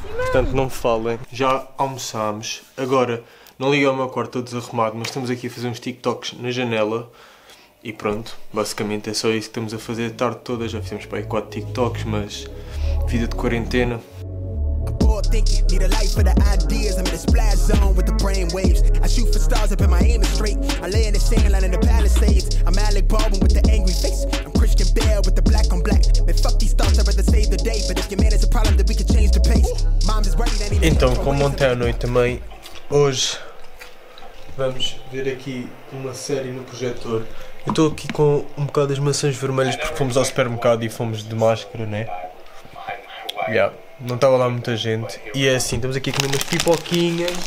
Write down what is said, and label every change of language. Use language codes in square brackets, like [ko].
[pt] Portanto, não falem. Já almoçámos. Agora, não liguei ao meu quarto todo desarrumado, mas estamos aqui a fazer uns TikToks na janela. E pronto, basicamente é só isso que estamos a fazer a tarde toda. Já fizemos para aí 4 TikToks, mas vida de quarentena. [en] thinking. Need a life for the ideas. I'm in a splash zone with the brain waves. I shoot for stars up in my aim is straight. I lay in the sand line in the Palisades. I'm Alec Baldwin with the angry face. I'm Christian Bale with the black on black. Man, fuck these thoughts, I'd rather save the day. But if your man is a problem, then we can change the pace. Mom is worried anyway. [pt] Então, como ontem à noite, mãe, hoje vamos ver aqui uma série no projetor. Eu estou aqui com um bocado das maçãs vermelhas porque fomos ao supermercado e fomos de máscara, né? Yeah. Não estava lá muita gente. E é assim, estamos aqui a comer umas pipoquinhas.